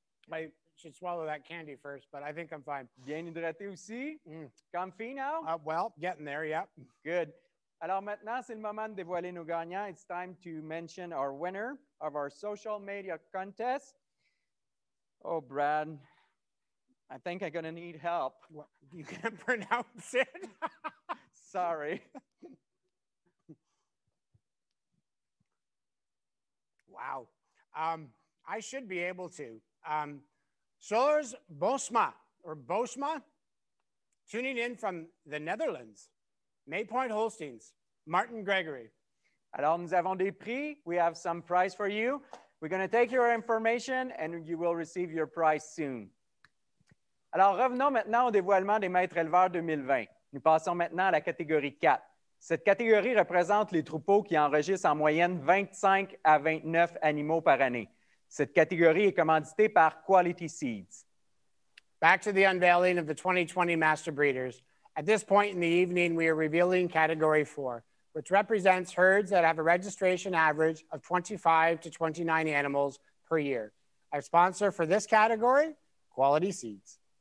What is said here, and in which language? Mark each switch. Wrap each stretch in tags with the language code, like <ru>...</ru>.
<en>I should swallow that candy first, but I think I'm fine.</en> <fr>Bien hydraté aussi?</fr> <en>Comfy now? Well, getting there, yeah. Good.</en> <fr>Alors maintenant, c'est le moment de dévoiler nos gagnants.</fr> <en>It's time to mention our winner of our social media contest. Oh, Brad, I think I'm going to need help. What? You can't pronounce it? Sorry. Wow. I should be able to. Solars Bosma, or Bosma, tuning in from the Netherlands. Maypoint Holsteins, Martin Gregory.</en> <fr>Alors, nous avons des prix.</fr> <en>We have some prize for you. We're going to take your information, and you will receive your prize soon.</en> <fr>Alors, revenons maintenant au dévoilement des maîtres éleveurs 2020. Nous passons maintenant à la catégorie 4. Cette catégorie représente les troupeaux qui enregistrent en moyenne 25 à 29 animaux par année. Cette catégorie est commanditée par Quality Seeds.</fr> <en>Back to the unveiling of the 2020 Master Breeders. At this point in the evening, we are revealing Category 4, which represents herds that have a registration average of 25 to 29 animals per year. Our sponsor for this category, Quality Seeds.</en>